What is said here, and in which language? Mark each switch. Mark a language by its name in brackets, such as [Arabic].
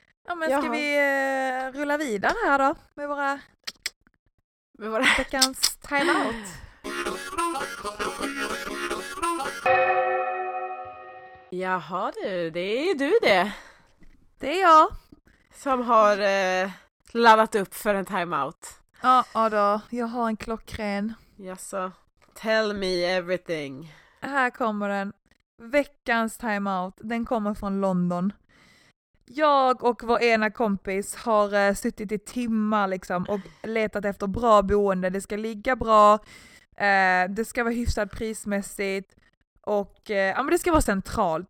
[Swedish] Ja, men ska vi rulla vidare här då med våra veckans timeout. Jaha du, det är du det. Det är jag som har laddat upp för en timeout. Ja, ja då, jag har en klockren. Jaså, [English] tell me everything. [Swedish] Här kommer den. Veckans timeout, den kommer från London. Jag och vår ena kompis har suttit i timmar liksom och letat efter bra boende. Det ska ligga bra, det ska vara hyfsat prismässigt och ja, men det ska vara centralt.